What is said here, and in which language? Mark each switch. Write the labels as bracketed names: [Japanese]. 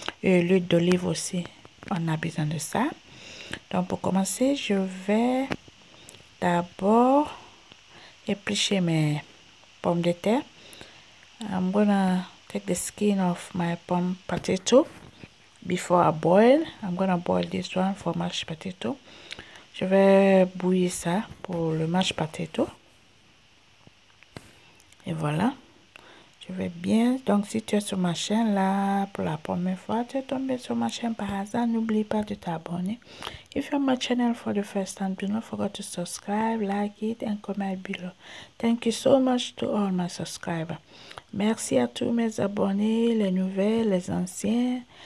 [French] Et l'huile d'olive aussi, on a besoin de ça. Donc pour commencer, je vais d'abord éplucher mes pommes de terre. [English] I'm gonna take the skin of my palm potato before I boil. I'm gonna boil this one for mashed potato. [French] Je vais bouillir ça pour le mashed potato. Et voilà. Je vais bien. Donc, si tu es sur ma chaîne là, pour la première fois, tu es tombé sur ma chaîne par hasard, n'oublie pas de t'abonner. [English] If you're on my channel for the first time, do not forget to subscribe, like it and comment below. Thank you so much to all my subscribers. [French] Merci à tous mes abonnés, les nouvelles, les anciens.